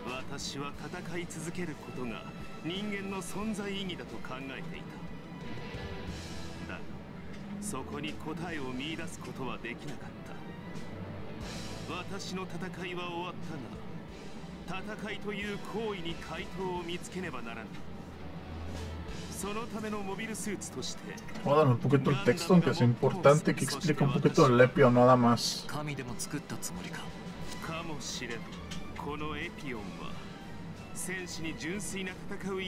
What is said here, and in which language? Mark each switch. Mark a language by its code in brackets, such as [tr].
[ja] 私は戦い続けることが人間の存在意義だと考えていた。だがそこに答えを見出すことはできなかった。私の戦いは終わったが、戦いという行為に回答を見つけねばならない。そのためのモビルスーツとして、 [es] まだ、un poquito el texto, aunque es importante que explique un poquito el Epion nada más. [ja] 神でも作ったつもりか。かもしれん。このエピオンは戦士に純粋な戦う意